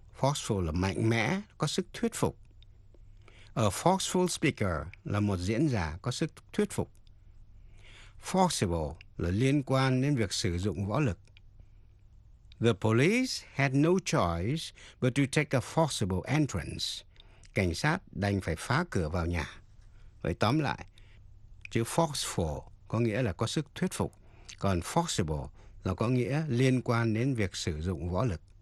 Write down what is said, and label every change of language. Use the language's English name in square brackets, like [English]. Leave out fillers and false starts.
[Vietnamese] Forceful là mạnh mẽ, có sức thuyết phục. [English] A forceful speaker [Vietnamese] là một diễn giả có sức thuyết phục. Forcible là liên quan đến việc sử dụng võ lực. [English] The police had no choice but to take a forcible entrance. [Vietnamese] Cảnh sát đành phải phá cửa vào nhà. Vậy tóm lại, chữ forceful có nghĩa là có sức thuyết phục. Còn forcible là có nghĩa liên quan đến việc sử dụng võ lực.